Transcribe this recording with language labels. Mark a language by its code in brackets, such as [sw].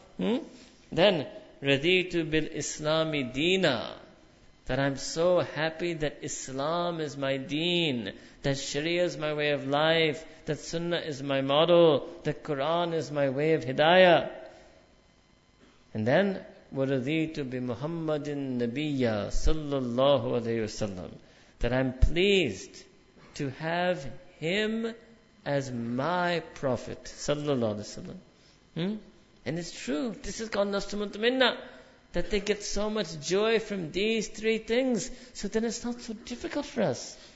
[en] Then, [ar] radhitu bil islami deena. [en] That I'm so happy that Islam is my deen, that Sharia is my way of life, that Sunnah is my model, that Quran is my way of hidayah. And then, [ar] وَرَضِيتُ بِمُحَمَّدٍ نَبِيًّا صَلَّى اللَّهُ عَلَيْهِ وَسَلَّمُ. [en] That I'm pleased to have him as my prophet, صَلَّى اللَّهُ عَلَيْهِ وَسَلَّمُ. And it's true, this is called نَفْسُ مُطْمِنَّةٍ. That they get so much joy from these three things, so then it's not so difficult for us.